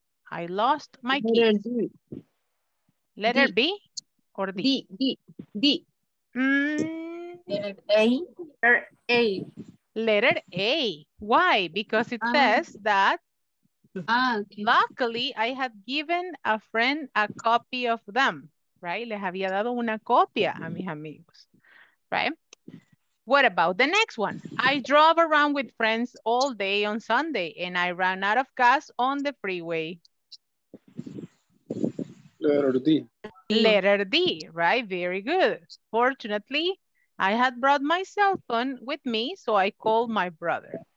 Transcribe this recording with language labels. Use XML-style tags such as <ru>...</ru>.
<en>I lost my keys. Letter B or D? D. Letter A. Letter A. Why? Because it says that luckily I had given a friend a copy of them, right?</en> <es>Le había dado una copia a mis amigos, right?</es> <en>What about the next one? I drove around with friends all day on Sunday and I ran out of gas on the freeway. Letter D, right? Very good. Fortunately, I had brought my cell phone with me, so I called my brother.</en>